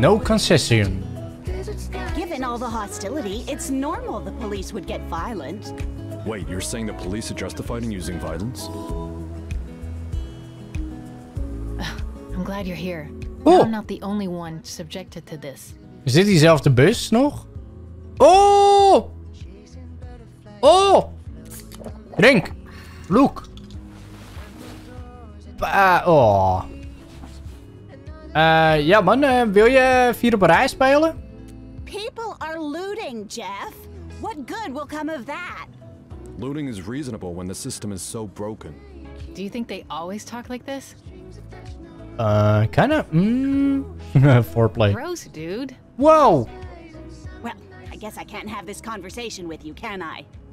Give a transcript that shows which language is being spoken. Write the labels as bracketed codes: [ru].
[en] No concession. Given all the hostility, it's normal the police would get violent. Wait, you're saying the police are justified in using violence? I'm glad you're here. Oh. I'm not the only one subjected to this. [nl] Is dit diezelfde bus nog? [en] Oh! Oh! Drink! Look! Oh. [nl] Ja man, wil je vier op een rij spelen? [en] People are looting, Jeff. What good will come of that? Looting is reasonable when the system is so broken. Do you think they always talk like this? Kinda, foreplay. Gross, dude. Whoa! Well, I guess I can't have this conversation with you, can I?